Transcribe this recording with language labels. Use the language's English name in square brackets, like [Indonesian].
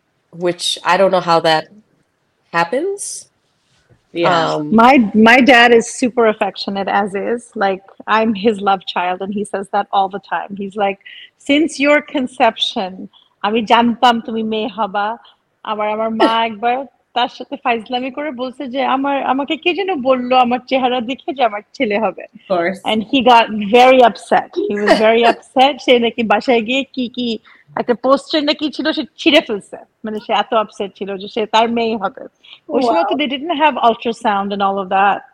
[English] Which I don't know how that happens. Yeah. My dad is super affectionate as is. I'm his love child, and he says that all the time. He's since your conception, [Bangla] ami jantam tumi me haba. আমার মা একবার তার সাথে ফাইজলামি করে বলছে যে আমার আমাকে কে যেন বললো আমার চেহারা দেখে যে আমার ছেলে হবে. [English] Of course. And he got very upset. He was very upset. [Bangla] সে নাকি বাসায় গিয়ে কি কি একটা পোস্টার নাকি ছিল সে ছিঁড়ে ফেলছে. সে এত আপসেট ছিল যে সে তার মেয়েই হবে. [English] Wow. [Bangla] ওই সময় তো [English] they didn't have ultrasound and all of that.